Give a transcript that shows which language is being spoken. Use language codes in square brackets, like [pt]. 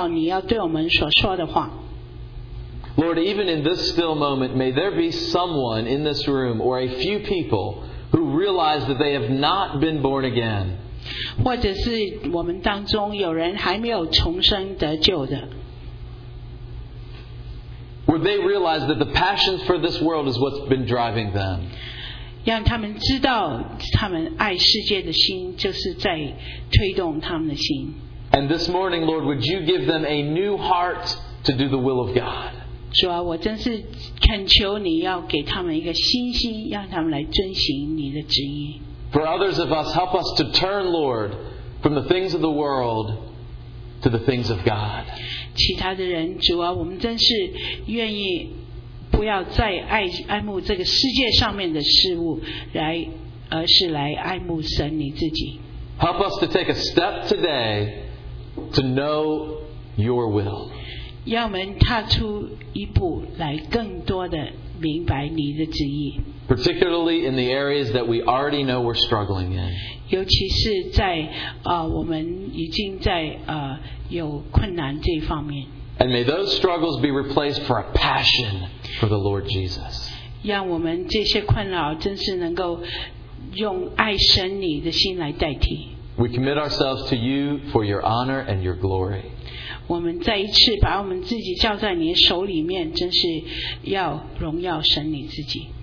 [zh] 让我们的心真的清楚地听到你要对我们所说的话。 [en] Lord, even in this still moment, may there be someone in this room or a few people who realize that they have not been born again. [zh] 或者是我们当中有人还没有重生得救的。 [en] Would they realize that the passion for this world is what's been driving them? [zh] 让他们知道他们爱世界的心就是在推动他们的心。 [en] And this morning, Lord, would you give them a new heart to do the will of God? [zh] 主啊，我真是恳求你要给他们一个信心，让他们来遵行你的旨意。 [en] For others of us, help us to turn, Lord, from the things of the world to the things of God. [zh] 其他的人，主啊，我们真是愿意不要再爱慕这个世界上面的事物，而是来爱慕神你自己。 [en] Help us to take a step today to know your will. [zh] 让我们踏出一步来更多的明白你的旨意。 [en] Particularly in the areas that we already know we're struggling in. [zh] 尤其是在我们已经在有困难这方面。 [en] And may those struggles be replaced for a passion for the Lord Jesus. [zh] 让我们这些困扰真是能够用爱神你的心来代替。 [en] We commit ourselves to you for your honor and your glory. [zh] 我们再一次把我们自己交在你的手里面，真是要荣耀神你自己。